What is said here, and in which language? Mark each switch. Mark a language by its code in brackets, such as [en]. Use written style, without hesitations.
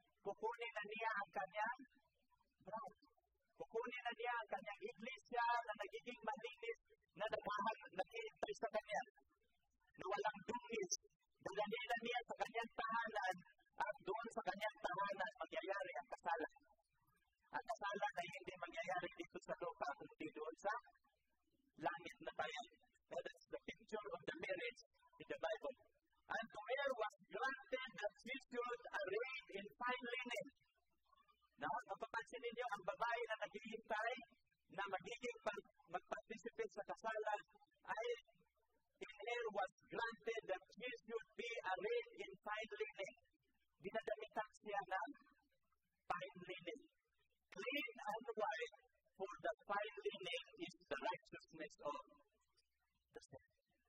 [tl] Kukunin na niya ang kanyang bride. Kukunin na niya ang kanyang iglesia na nagiging malinis, na naghihintay sa kanya. Na walang dungis. Dadali na niya sa kanyang tahanan at doon sa kanyang tahanan magyayari ang kasalan. Ang kasalan na hindi magyayari dito sa lupa kundi doon sa langit na bayan. [en] That is the picture of the marriage in the Bible. And to her was granted that she should arrayed in fine linen. [tl] Now, napapansin ninyo ang babae na naghihintay na magiging mag-participate sa kasalan ay [en] to her was granted that she should be arrayed in fine linen. [tl] Dinadamitan siya ng fine linen. [en] Clean and white, for the fine linen is the righteousness of the saints.